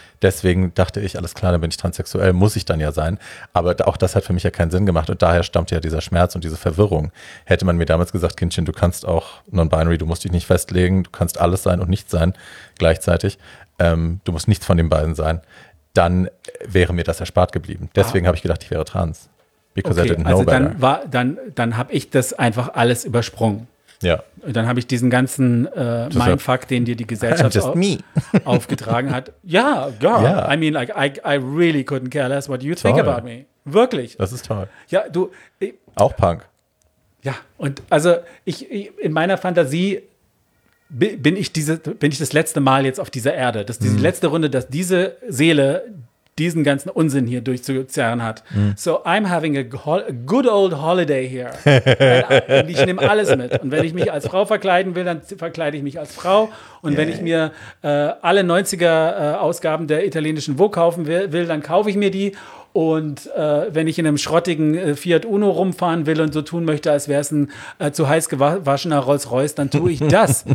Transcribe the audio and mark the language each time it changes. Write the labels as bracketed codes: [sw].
[de] Deswegen dachte ich, alles klar, dann bin ich transsexuell, muss ich dann ja sein. Aber auch das hat für mich ja keinen Sinn gemacht und daher stammt ja dieser Schmerz und diese Verwirrung. Hätte man mir damals gesagt, Kindchen, du kannst auch non-binary, du musst dich nicht festlegen, du kannst alles sein und nichts sein gleichzeitig, du musst nichts von den beiden sein, dann wäre mir das erspart geblieben. Deswegen habe ich gedacht, ich wäre trans. [en] Because okay, I didn't know also better. [de] Dann habe ich das einfach alles übersprungen. Ja. Und dann habe ich diesen ganzen Mindfuck, den dir die Gesellschaft aufgetragen hat. [en] Ja, girl. Yeah. I mean, like, I really couldn't care less what you toll. Think about me. Wirklich. [de] Das ist toll. Ja, du. Auch Punk. Ja, und also ich in meiner Fantasie bin ich das letzte Mal jetzt auf dieser Erde. Das ist die letzte Runde, dass diese Seele diesen ganzen Unsinn hier durchzuzerren hat. Mm. [en] So I'm having a good old holiday here. [de] Und ich nehme alles mit. Und wenn ich mich als Frau verkleiden will, dann verkleide ich mich als Frau. Und wenn ich mir alle 90er-Ausgaben der italienischen Vogue kaufen will, dann kaufe ich mir die. Und wenn ich in einem schrottigen Fiat Uno rumfahren will und so tun möchte, als wäre es ein zu heiß gewaschener Rolls-Royce, dann tue ich das.